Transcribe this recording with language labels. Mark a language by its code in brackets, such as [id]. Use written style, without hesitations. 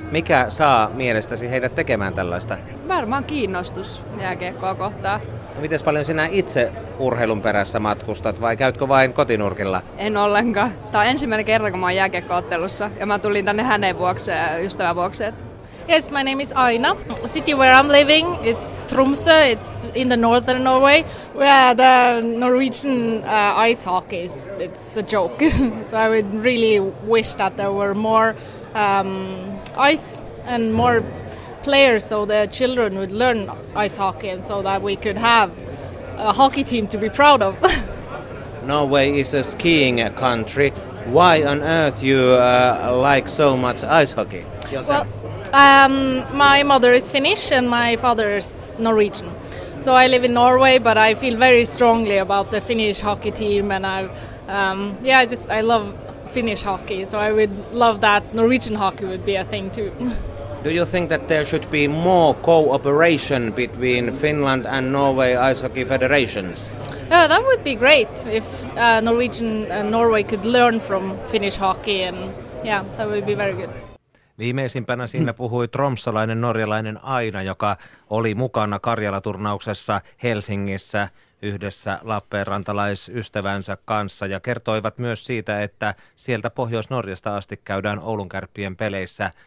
[fi] Mikä saa mielestäsi heidät tekemään tällaista? Varmaan kiinnostus jääkiekkoa kohtaan. Miten paljon sinä itse urheilun perässä matkustat vai käytkö vain kotinurkilla? En ollenkaan. Tämä on ensimmäinen kerta, kun mä oon jääkiekko-ottelussa ja mä tulin tänne hänen vuokseen, ystävän vuokseen. [en] Yes, my name is Aina. City where I'm living, it's Tromsø, it's in the northern Norway, where the Norwegian ice hockey is, it's a joke. So I would really wish that there were more ice and more players so the children would learn ice hockey and so that we could have a hockey team to be proud of. Norway is a skiing country. Why on earth you like so much ice hockey yourself? Well, my mother is Finnish and my father is Norwegian. So I live in Norway but I feel very strongly about the Finnish hockey team and I love Finnish hockey, so I would love that Norwegian hockey would be a thing too. Do you think that there should be more cooperation between Finland and Norway ice hockey federations? That would be great if Norwegian and Norway could learn from Finnish hockey and yeah, that would be very good. [fi] Viimeisimpänä siinä puhui tromsalainen norjalainen Aina, joka oli mukana Karjala-turnauksessa Helsingissä yhdessä lappeenrantalaisystävänsä kanssa ja kertoivat myös siitä, että sieltä Pohjois-Norjasta asti käydään Oulun Kärppien peleissä.